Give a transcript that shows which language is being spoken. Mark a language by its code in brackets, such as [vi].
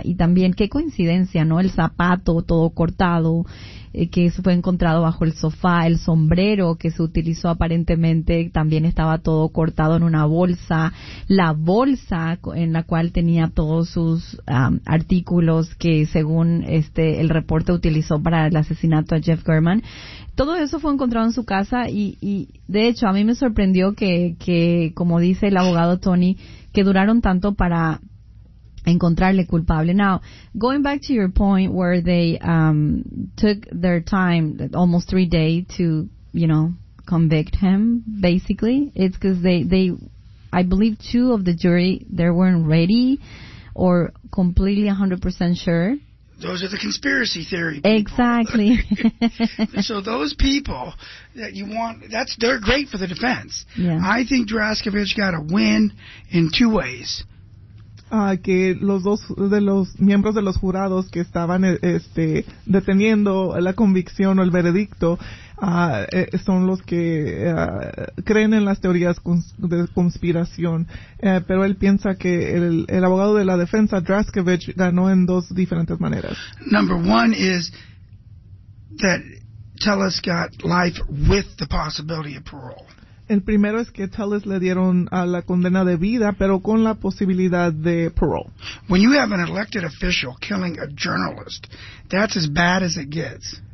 [es] Y también, qué coincidencia, ¿no? El zapato todo cortado, que fue encontrado bajo el sofá, el sombrero que se utilizó aparentemente también estaba todo cortado en una bolsa, la bolsa en la cual tenía todos sus artículos que según el reporte utilizó para el asesinato a Jeff German. Todo eso fue encontrado en su casa y de hecho a mí me sorprendió que como dice el abogado Tony, que duraron tanto para encontrarle culpable. [en] Now, going back to your point where they took their time, almost 3 days to, you know, convict him, basically, it's because they, I believe two of the jury, they weren't ready or completely 100% sure. Those are the conspiracy theory people. Exactly. So those people that you want, they're great for the defense. Yeah. I think Draskovich got a win in two ways. [es] Que los dos de los miembros de los jurados que estaban deteniendo la convicción o el veredicto son los que creen en las teorías de conspiración. Pero él piensa que el abogado de la defensa, Draskovich, ganó en dos diferentes maneras. [en] Number one is that Tellis got life with the possibility of parole. [es] El primero es que Tellis le dieron a la condena de vida, pero con la posibilidad de parole. [en] When you have an elected official killing a journalist, that's as bad as it gets.